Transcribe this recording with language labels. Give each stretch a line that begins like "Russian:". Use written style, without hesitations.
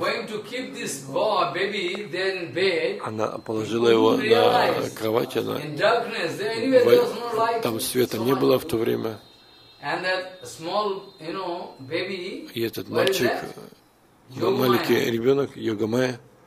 English: Going to keep this boy, baby, then bed.
Russian: Она положила его на кровать, она.
English: In darkness, there anyway there was no light.
Russian: Там света не было в то время.
English: And that small, you know, baby.
Russian: И этот мальчик, маленький ребенок, Йогамая.